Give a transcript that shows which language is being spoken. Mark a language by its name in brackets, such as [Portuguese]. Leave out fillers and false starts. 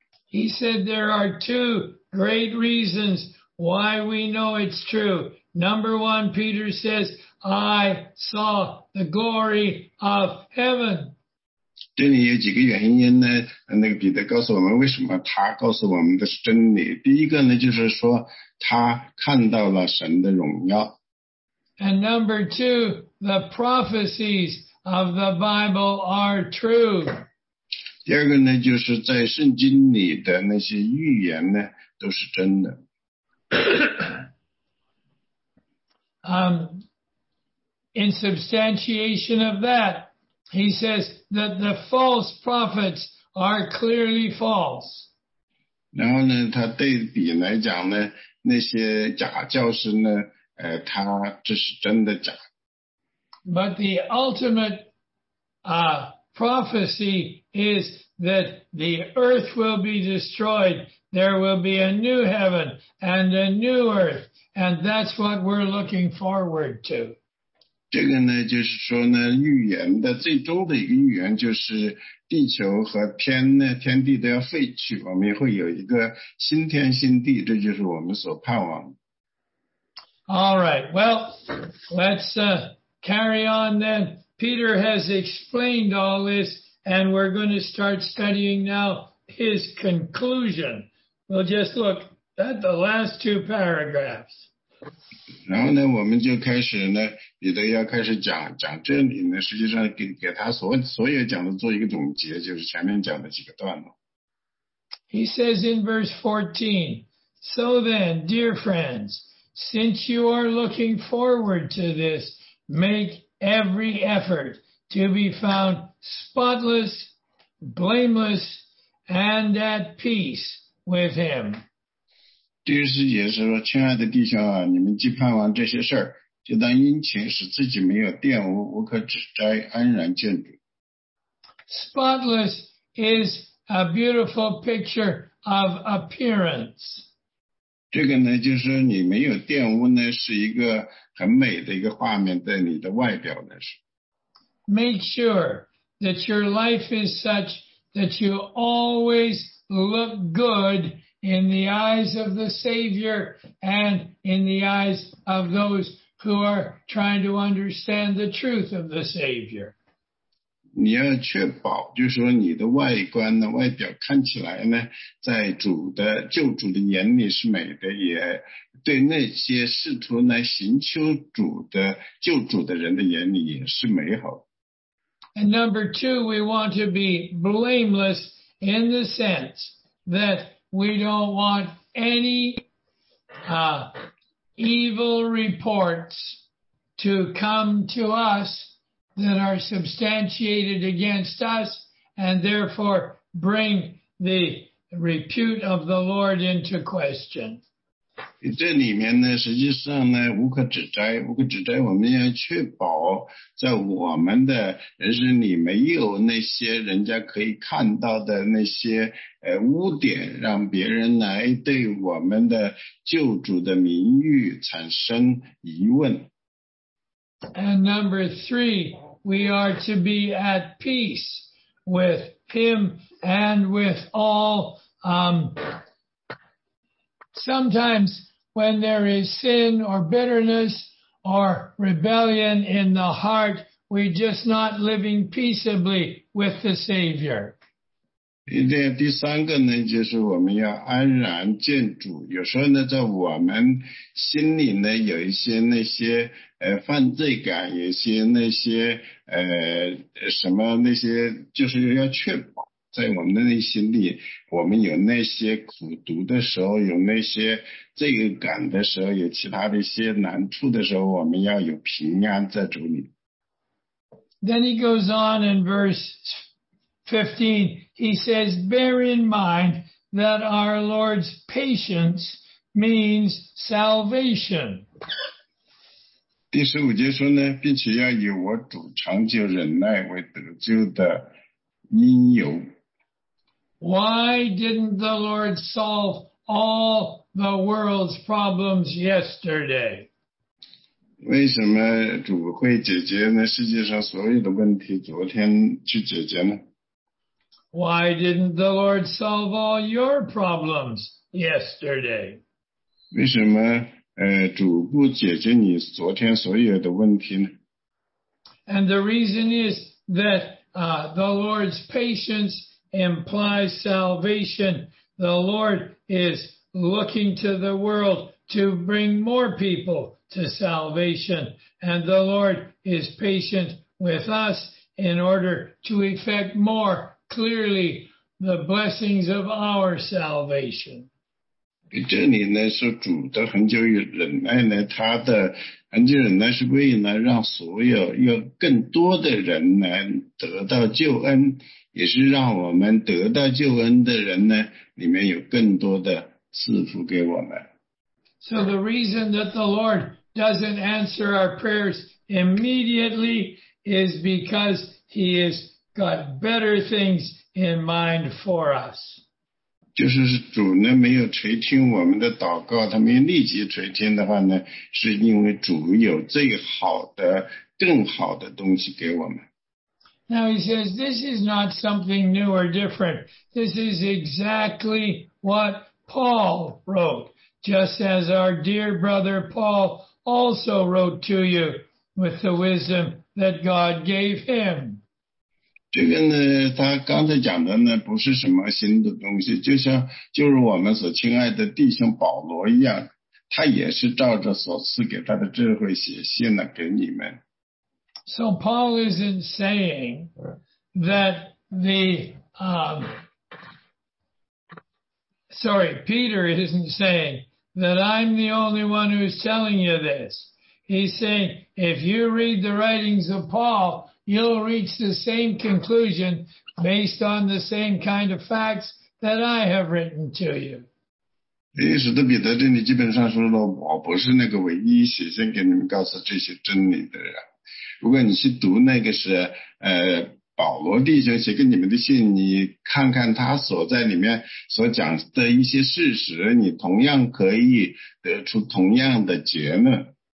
[English] He said there are two great reasons why we know it's true. Number one, Peter says, I saw the glory of heaven. [Chinese] 这里有几个原因呢，那个彼得告诉我们为什么他告诉我们的是真理。第一个呢，就是说他看到了神的荣耀。 [English] And number two, the prophecies of the Bible are true. [Chinese] 第二个呢，就是在圣经里的那些预言呢，都是真的。 [English] In substantiation of that,He says that the false prophets are clearly false. [Chinese] 然后呢，他对比来讲呢，那些假教师呢，他这是真的假。 [English] But the ultimate prophecy is that the earth will be destroyed. There will be a new heaven and a new earth. And that's what we're looking forward to. [Chinese] 这个呢就是说呢预言的最终的一个预言就是地球和天呢天地都要废去我们会有一个新天新地这就是我们所盼望的。 [English] All right, well, let's carry on then. Peter has explained all this and we're going to start studying now his conclusion. We'll just look at the last two paragraphs. [Chinese] 然后呢我们就开始呢彼得要开始讲这里呢实际上给他所有讲的做一个总结就是前面讲的几个段落。 [English] He says in verse 14, So then, dear friends, since you are looking forward to this, make every effort to be found spotless, blameless, and at peace with him. [Chinese] 第十节是说，亲爱的弟兄啊，你们既盼望这些事儿，就当殷勤使自己没有玷污、无可指摘、安然见主。 [English] Spotless is a beautiful picture of appearance. [Chinese] 这个呢，就是你没有玷污呢，是一个很美的一个画面，在你的外表呢是。 [English] Make sure that your life is such that you always look good. In the eyes of the Savior and in the eyes of those who are trying to understand the truth of the Savior. [Chinese] 你要确保就是说你的外观呢外表看起来呢在主的救主的眼里是美的，也对那些试图来寻求主的救主的人的眼里也是美好。 [English] And number two, we want to be blameless in the sense that we don't want any, evil reports to come to us that are substantiated against us and therefore bring the repute of the Lord into question. [Chinese] 这里面呢实际上呢无可指摘，无可指摘我们要确保在我们的人生里没有那些人家可以看到的那些污点，让别人来对我们的救主的名誉产生疑问。 [English] And number three, we are to be at peace with him and with all, sometimes when there is sin or bitterness or rebellion in the heart, we're just not living peaceably with the Savior. [Chinese] 第三个呢就是我们要安然见主，有时候呢在我们心里呢有一些那些犯罪感，有一些那些什么那些，就是要确保在我们的内心里我们有那些苦毒的时候，有那些罪恶感的时候，有其他的一些难处的时候，我们要有平安在主里。 [English] Then he goes on in verse 15, he says, bear in mind that our Lord's patience means salvation. [Chinese] 第十五节说呢，并且要以我主长久忍耐为得救的因由。 [English] Why didn't the Lord solve all the world's problems yesterday? [Chinese] 为什么主会解决呢世界上所有的问题，昨天去解决呢？ [English] Why didn't the Lord solve all your problems yesterday? [Chinese] 为什么主不解决你昨天所有的问题呢？ [English] And the reason is that the Lord's patience implies salvation. The Lord is looking to the world to bring more people to salvation. And the Lord is patient with us in order to effect more clearly the blessings of our salvation. [Chinese] 这里呢是主的恒久忍耐呢，他的恒久忍耐是为了让所有有更多的人呢得到救恩，也是让我们得到救恩的人呢里面有更多的赐福给我们。 [English] So the reason that the Lord doesn't answer our prayers immediately is because he isGot better things in mind for us. [Chinese] 就是主呢没有垂听我们的祷告，他没有立即垂听的话呢，是因为主有最好的、更好的东西给我们。 [English] Now he says, this is not something new or different. This is exactly what Paul wrote, just as our dear brother Paul also wrote to you with the wisdom that God gave him. [Chinese] 这个呢他刚才讲的呢不是什么新的东西，就像就是我们所亲爱的弟兄保罗一样，他也是照着所赐给他的智慧写信了给你们。 [English] So Paul isn't saying that Peter isn't saying that I'm the only one who's telling you this. He's saying if you read the writings of PaulYou'll reach the same conclusion based on the same kind of facts that I have written to you. [Chinese] 使徒彼得这里基本上说了，我不是那个唯一写信给你们告诉这些真理的人。如果你去读那个是保罗弟兄写给你们的信，你看看他所在里面所讲的一些事实，你同样可以得出同样的结论。